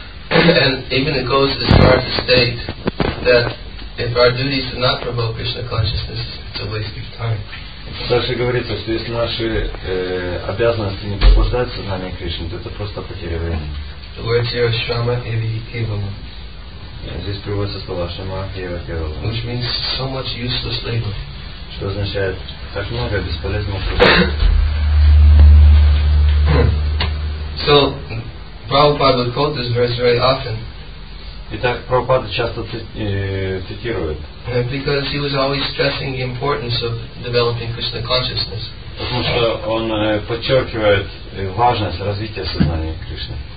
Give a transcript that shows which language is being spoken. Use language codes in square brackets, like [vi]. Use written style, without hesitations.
[en] And even it goes as far to state that if our duties do not provoke Krishna consciousness, it's a waste of time. [ru] Также говорится, что если наши обязанности не пробуждают сознание Кришны, то это просто потеря времени. [en] The words here are Shrama Evi Kevala. [ru] Здесь приводятся слова Shrama Evi Kevala. [en] Which means so much useless labor. [ru] Что означает так много бесполезного труда. [en] So, Prabhupada would quote this verse very often. [ru] Итак, Прабхупада часто цитирует. [en] And because he was always stressing the importance of developing Krishna consciousness. [ru] Потому что он подчеркивает важность развития сознания Кришны.